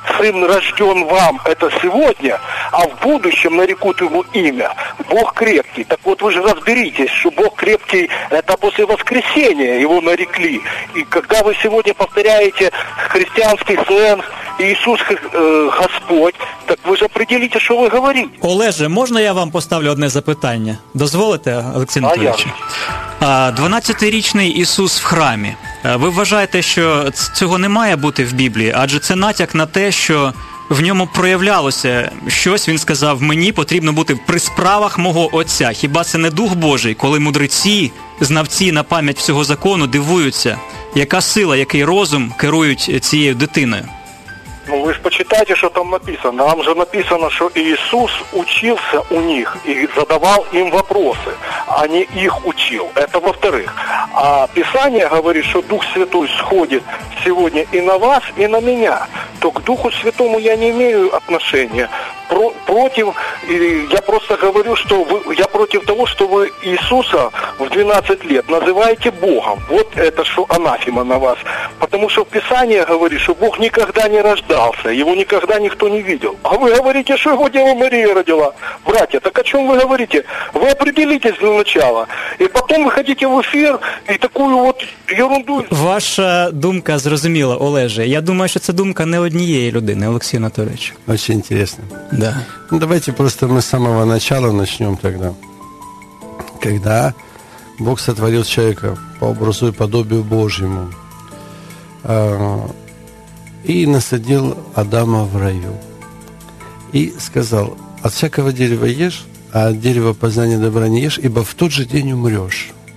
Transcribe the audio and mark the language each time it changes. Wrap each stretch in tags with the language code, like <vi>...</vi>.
<ru>Сын рожден вам, это сегодня, а в будущем нарекут ему имя. Бог крепкий. Так вот вы же разберитесь, что Бог крепкий, это после воскресения его нарекли. И когда вы сегодня повторяете христианский сленг Иисус Господь,</ru> <uk>так ви ж определіте, що ви говорите. Олеже, можна я вам поставлю одне запитання? Дозволите, Олексій Анатолійович? А 12-річний Ісус в храмі. Ви вважаєте, що цього не має бути в Біблії? Адже це натяк на те, що в ньому проявлялося щось. Він сказав, мені потрібно бути при справах мого Отця. Хіба це не Дух Божий, коли мудреці, знавці на пам'ять всього закону дивуються, яка сила, який розум керують цією дитиною? Ну, ви ж почитайте, що там написано. Нам же написано, що Ісус учився у них і задавав їм вопроси, а не їх учив. Це во-вторых. А Писання говорить, що Дух Святий сходить сьогодні і на вас, і на мене. То к Духу Святому я не маю отношення.</uk> <ru>Против, я просто говорю, что вы, я против того, что вы Иисуса в 12 лет называете Богом. Вот это что анафема на вас. Потому что в Писании говорит, что Бог никогда не рождался, его никогда никто не видел. А вы говорите, что его Дева Мария родила. Братья, так о чем вы говорите? Вы определитесь для начала. И потом выходите в эфир и такую вот ерунду.</ru> <uk>Ваша думка зрозуміла, Олеже. Я думаю,</uk> <ru>что это</ru> <uk>думка не однієї людини, Олексій Анатолійович.</uk> <ru>Очень интересно. Да. Ну, давайте просто мы с самого начала начнем тогда. Когда Бог сотворил человека по образу и подобию Божьему и насадил Адама в раю. И сказал, от всякого дерева ешь, а от дерева познания добра не ешь, ибо в тот же день умрешь.</ru>